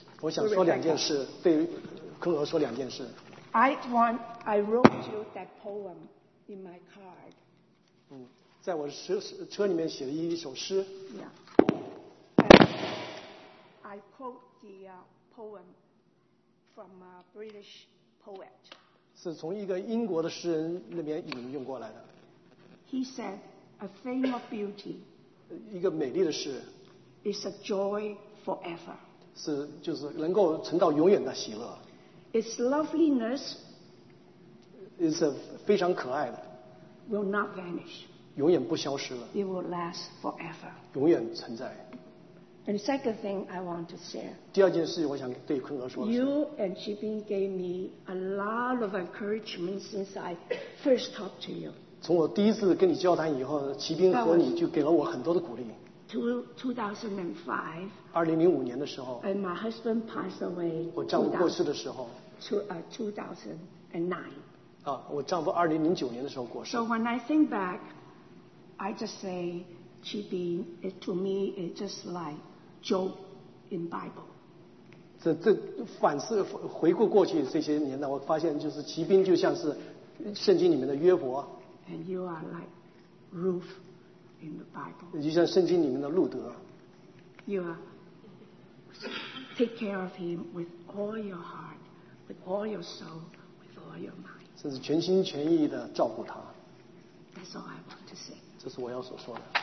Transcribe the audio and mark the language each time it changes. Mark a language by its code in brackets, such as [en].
[zh] 我想说两件事，对坤娥说两件事。 [en] I wrote you that poem in my card. [zh] 在我车里面写了一首诗。 Yeah. [en] I quote the poem from a British poet. [zh] 是从一个英国的诗人那边引用过来的。 [en] He said, "A thing of beauty." [zh] 一个美丽的诗。 [en] Is a joy forever. [zh] 是就是能够存到永远的喜乐。 [en] Its loveliness is a [zh] 非常可爱的。 [en] Will not vanish. [zh] 永远不消失了。 [en] It will last forever. [zh] 永远存在。 [en] And second thing I want to share. [zh] 第二件事我想对坤哥说的。 [en] You and Chi Bing gave me a lot of encouragement since I first talked to you. [zh] 从我第一次跟你交谈以后，齐斌和你就给了我很多的鼓励。 [en] 2005。 [zh] 2005年的时候。 [en] And my husband passed away. [zh] 我丈夫过世的时候。 [en] 2009。 [zh] 啊，我丈夫2009年的时候过世。 [en] So when I think back. I just say, Chi Bing, to me, it's just like Job in Bible. [zh] 这反思回顾过去这些年代，我发现就是齐斌就像是圣经里面的约伯。 [en] And you are like Ruth in the Bible. [zh] 就像圣经里面的路德。 [en] You are take care of him with all your heart, with all your soul, with all your mind. [zh] 甚至全心全意的照顾他。 [en] That's all I want to say. [zh] 这是我要所说的。